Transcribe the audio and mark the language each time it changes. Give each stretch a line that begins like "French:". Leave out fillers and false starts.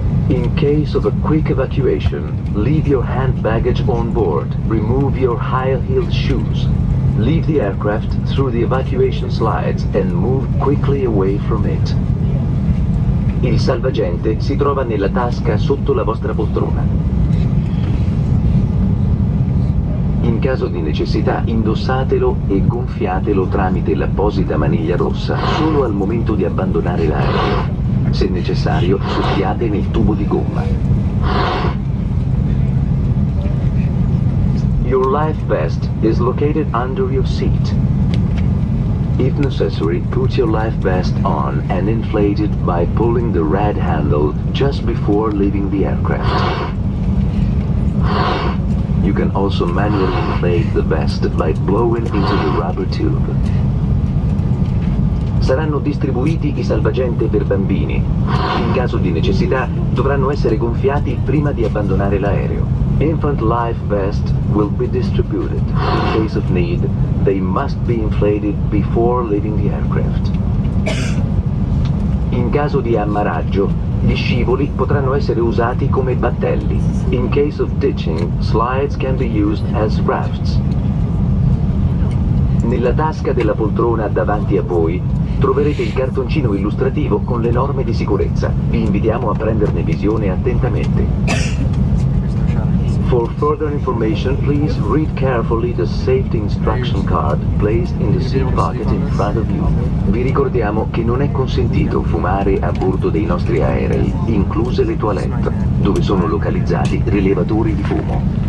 English: In case of a quick evacuation, leave your hand baggage on board. Remove your high-heeled shoes. Leave the aircraft through the evacuation slides and move quickly away from it.
Italian: Il salvagente si trova nella tasca sotto la vostra poltrona. In caso di necessità, indossatelo e gonfiatelo tramite l'apposita maniglia rossa solo al momento di abbandonare l'aereo. Se necessario, soffiate nel tubo di gomma.
English: Your life vest is located under your seat. If necessary, put your life vest on and inflate it by pulling the red handle just before leaving the aircraft. You can also manually inflate the vest by blowing into the rubber tube.
Italian: Saranno distribuiti i salvagente per bambini. In caso di necessità, dovranno essere gonfiati prima di abbandonare l'aereo.
English: Infant life vest will be distributed. In case of need, they must be inflated before leaving the aircraft.
Italian: In caso di ammaraggio, gli scivoli potranno essere usati come battelli.
English: In case of ditching, slides can be used as rafts.
Italian: Nella tasca della poltrona davanti a voi troverete il cartoncino illustrativo con le norme di sicurezza. Vi invitiamo a prenderne visione attentamente.
English: For further information, please read carefully the safety instruction card placed in the seat pocket in front of you.
Italian: Vi ricordiamo che non è consentito fumare a bordo dei nostri aerei, incluse le toilette, dove sono localizzati rilevatori di fumo.